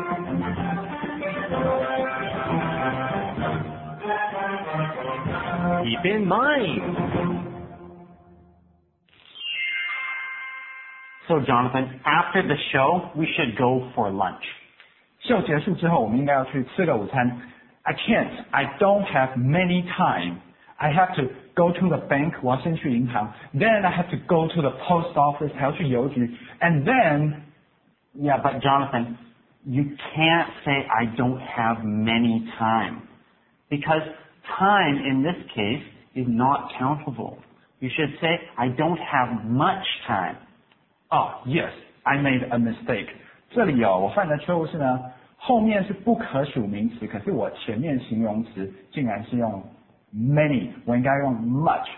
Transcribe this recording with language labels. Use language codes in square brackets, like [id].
[en] Keep in mind. So Jonathan, after the show, we should go for lunch. [zh] 秀结束之后，我们应该要去吃个午餐。 [en] I can't. I don't have many time. I have to go to the bank. [zh] 我要先去银行。 [en] Then I have to go to the post office. [zh] 还要去邮局。 [en] And then, yeah, but Jonathan, you can't say I don't have many time, because time in this case is not countable. You should say I don't have much time. Oh, yes. I made a mistake. [zh] 这里哦，我犯的错误是呢，后面是不可数名词，可是我前面形容词竟然是用 many， 我应该用 much。